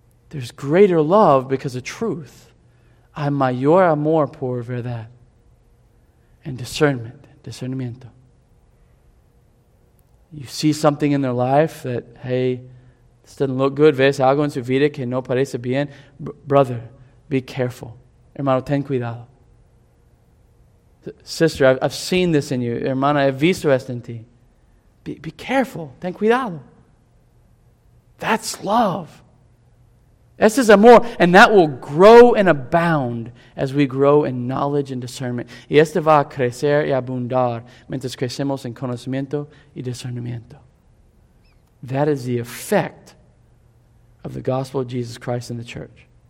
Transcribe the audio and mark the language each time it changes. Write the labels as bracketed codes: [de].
[en] There's greater love because of truth. [es] Hay mayor amor por verdad. [en] And discernment. Discernimiento. You see something in their life that, hey, this doesn't look good. [es] ¿Ves algo en su vida que no parece bien? [en] Brother, be careful. [es] Hermano, ten cuidado. [en] Sister, I've seen this in you. [es] Hermana, he visto esto en ti. [en] Be careful. [es] Ten cuidado. [en] That's love. This is amor, and that will grow and abound as we grow in knowledge and discernment. [es] Y este va a crecer y abundar mientras crecemos en conocimiento y discernimiento. [en] That is the effect of the gospel of Jesus Christ in the church.